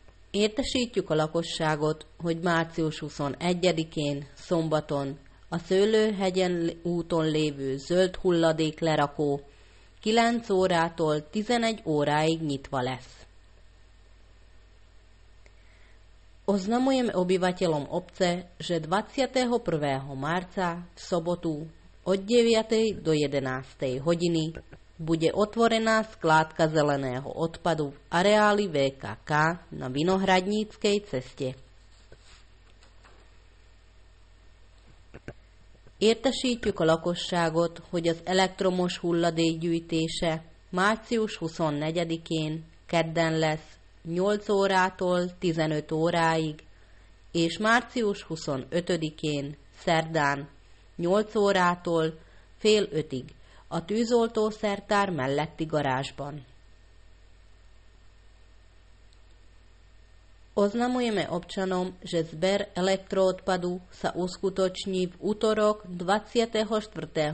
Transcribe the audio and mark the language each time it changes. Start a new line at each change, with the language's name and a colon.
Hungarian: Értesítjük a lakosságot, hogy március 21-én, szombaton, a Szőlőhegyen úton lévő zöld hulladék lerakó 9 órától 11 óráig nyitva lesz.
Slovak: Oznamujeme obyvateľom obce, že 21. marca v sobotu od 9. do 11. hodiny bude otvorená skládka zeleného odpadu v areáli VKK na Vinohradníckej ceste.
Hungarian: Értesítjük a lakosságot, hogy az elektromos hulladék gyűjtése március 24-én kedden lesz 8 órától 15 óráig, és március 25-én szerdán 8 órától fél ötig a tűzoltó szertár melletti garázsban.
Slovak: Oznamujeme občanom, že zber elektroodpadu sa uskutoční v útorok 24.